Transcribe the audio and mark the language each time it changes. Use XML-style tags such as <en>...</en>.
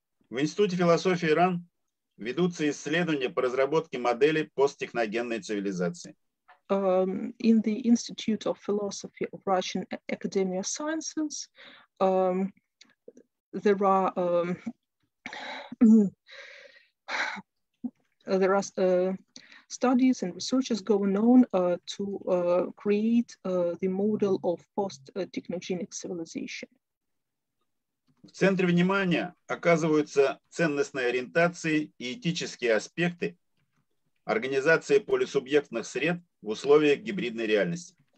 <ru>В Институте философии Иран ведутся исследования по разработке модели посттехногенной цивилизации.</ru> <en>In the Institute of Philosophy of Russian Academy of Sciences, there are studies and researches going on to create the model of post-technogenic civilization.</en> <ru>В центре внимания оказываются ценностные ориентации и этические аспекты организации полисубъектных сред в условиях гибридной реальности.</ru>